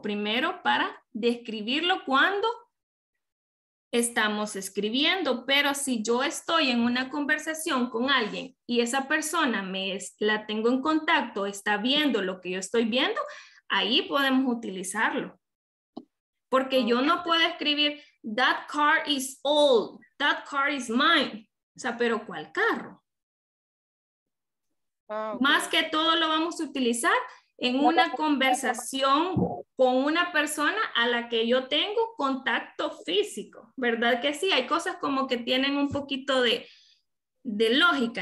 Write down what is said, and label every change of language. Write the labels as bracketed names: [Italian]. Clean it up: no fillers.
[Spanish] Primero para describirlo cuando estamos escribiendo. Pero si yo estoy en una conversación con alguien y esa persona la tengo en contacto, está viendo lo que yo estoy viendo, ahí podemos utilizarlo. Porque yo no puedo escribir, [English] that car is old, that car is mine. [Spanish] O sea, pero ¿cuál carro? Más que todo lo vamos a utilizar en una conversación con una persona a la que yo tengo contacto físico, ¿verdad que sí? Hay cosas como que tienen un poquito de lógica.